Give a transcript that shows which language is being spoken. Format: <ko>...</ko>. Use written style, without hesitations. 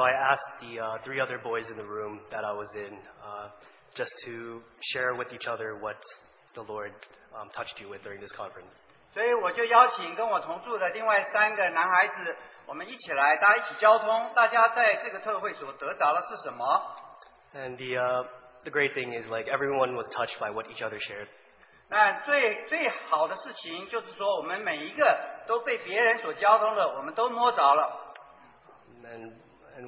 <en>I asked the three other boys in the room that I was in, just to share with each other what the Lord touched you with during this conference.</en> <zh>所以我就邀请跟我同住的另外三个男孩子，我们一起来，大家一起交通，大家在这个特会所得着了是什么？</zh> <en>And the great thing is, like, everyone was touched by what each other shared.</en> <zh>那最好的事情就是说，我们每一个都被别人所交通的，我们都摸着了。</zh> <en>And</en>